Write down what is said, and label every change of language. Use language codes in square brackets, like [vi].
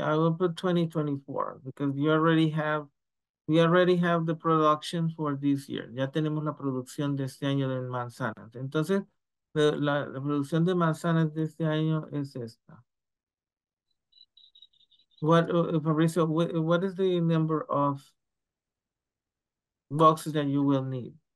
[en] I will put 2024 because you already have, we already have the production for this year. [es] Ya tenemos la producción de este año de manzanas. Entonces, la producción de manzanas de este año es esta. [en] What, Fabricio, what is the number of boxes that you will need?